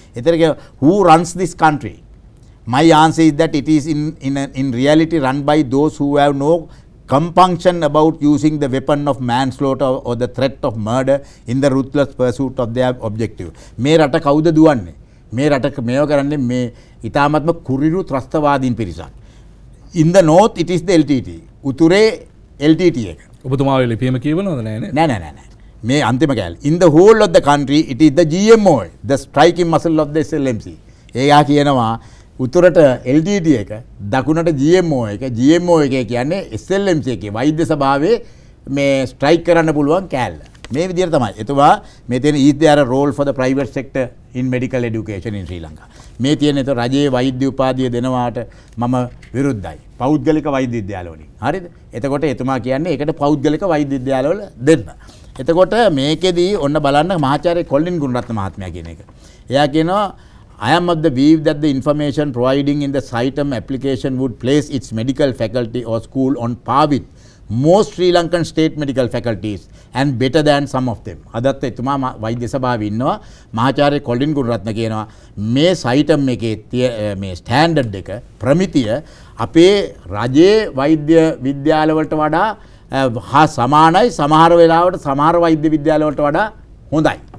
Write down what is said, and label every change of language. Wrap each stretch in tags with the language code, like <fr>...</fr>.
<si>එතන කිය</si> <en>who runs this country? My answer is that it is in reality run by those who have no compunction about using the weapon of manslaughter or the threat of murder in the ruthless pursuit of their objective.</en> <si>මේ රට කවුද දුවන්නේ? මේ රට මේව කරන්නේ මේ ඉතාමත්ම කුරිරු ත්‍රස්තවාදීන් පිරිසක්.</si> <en>In the north it is the LTT uture LTT එක</en> <si>ඔබතුමා ඔය ලිපියෙම කියවනවද නෑ මේ අන්තිම කැලේ</si> <en>in the whole of the country it is the GMO the striking muscle of the SLMC</en> <si>එයා කියනවා උතුරට LTT එක දකුණට GMO එක කියන්නේ SLMC එකේ වෛද්‍ය සභාවේ මේ ස්ට්‍රයික් කරන්න පුළුවන් කැලල මේ විදිහට තමයි එතුවා මේ තියෙන</si> <en>is there a role for the private sector in medical education in Sri Lanka</en> <si>මේ තියෙන ඒතර රජයේ වෛද්‍ය උපාධිය දෙනවාට මම විරුද්ධයි. පෞද්ගලික වෛද්‍ය විද්‍යාලවලින්. හරිද? එතකොට එතුමා කියන්නේ ඒකට පෞද්ගලික වෛද්‍ය විද්‍යාලවල දෙන්න. එතකොට මේකෙදී ඔන්න බලන්න මහාචාර්ය කොල්ලින් ගුණරත්න මහත්මයා කියන එක. එයා කියනවා</si> <en>I am of the view that the information providing in the citam application would place its medical faculty or school on par with most Sri Lankan state medical faculties and better than some of them.</en> <si>අදත් එතුමා වෛද්‍ය සභාවේ ඉන්නවා මහාචාර්ය Colin Gunaratne කියනවා මේ සයිටම් එකේ මේ ස්ටෑන්ඩඩ් එක ප්‍රමිතිය අපේ රජයේ වෛද්‍ය විද්‍යාලවලට වඩා හා සමානයි සමහර වෙලාවට සමහර වෛද්‍ය විද්‍යාලවලට වඩා හොඳයි.</si>